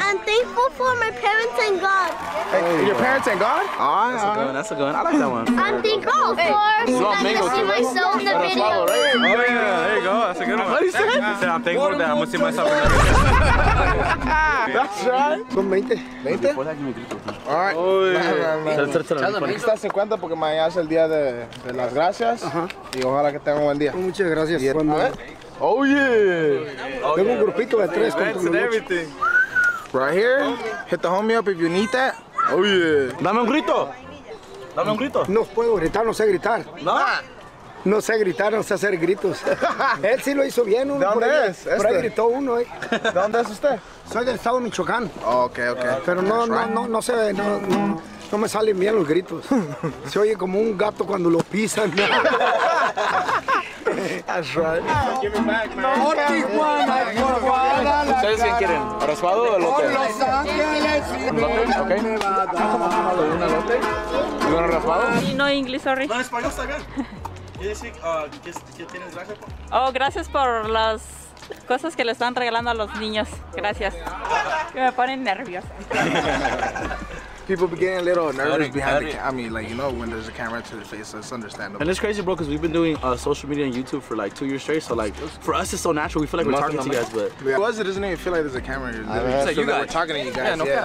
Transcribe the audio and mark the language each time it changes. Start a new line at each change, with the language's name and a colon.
English: I'm thankful for my parents and God. Hey, your parents and God? All right. That's a good one. I like that one. I'm thankful for that you see myself in the video. Oh, yeah. There you go. That's a good one. What did he say? He said, I'm thankful that I'm going to see myself in the video. That's right.
Spanish: Son 20. 20?
English: All right. Oh, yeah. Tell him.
Spanish: Está 50 porque mañana es el día de las gracias y ojalá que tengan un buen día. Muchas gracias.
English: Oye, oh, yeah. Oh, yeah.
Spanish: Tengo un grupito de tres con todo
English: everything. Right here, hit the homie up if you need that. Oh, yeah.
Spanish: Dame un grito. Dame un grito. No puedo gritar, no sé gritar. No. No sé gritar, no sé hacer gritos. Él sí lo hizo bien. ¿De dónde por es? Ahí, este. Por ahí gritó uno. ¿De dónde es usted? Soy del estado de Michoacán.
English: Oh, okay, okay.
Spanish: Pero no, right. no sé, no. No. No me salen bien los gritos. Se oye como un gato cuando lo pisan.
English: That's right. Oh, give me back, man. No, no, no, no, no.
Spanish: ¿Ustedes quién quieren? ¿Raspado o elote? Con Los Ángeles. ¿Elote? ¿Ok? ¿Un elote? ¿Y bueno, raspado? No, inglés, sorry. No, español está bien. ¿Qué tienes gracias por? Oh, gracias por las cosas que le están regalando a los niños. Gracias. Que me ponen nerviosa.
English: People be getting a little nervous behind the camera. I mean, like, you know, when there's a camera to the face, so it's understandable. And it's crazy, bro, because we've been doing social media and YouTube for like 2 years straight. So, like, for us, it's so natural. We feel like we're talking to you guys, but. Yeah. Well, it doesn't even feel like there's a camera here. So we're talking to you guys.